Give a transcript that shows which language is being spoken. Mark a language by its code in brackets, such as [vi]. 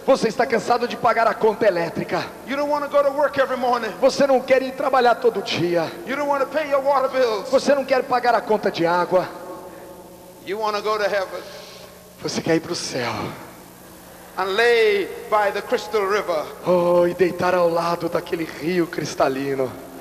[pt] Você está cansado de pagar a conta elétrica. [en] You don't want to go to work every morning. [pt] Você não quer ir trabalhar todo dia. [en] You don't want to pay your water bills. [pt] Você não quer pagar a conta de água. [en] You want to go to heaven. [pt] Você quer ir para o céu. [en] And lay by the crystal river. [pt] Oh, e deitar ao lado daquele rio cristalino.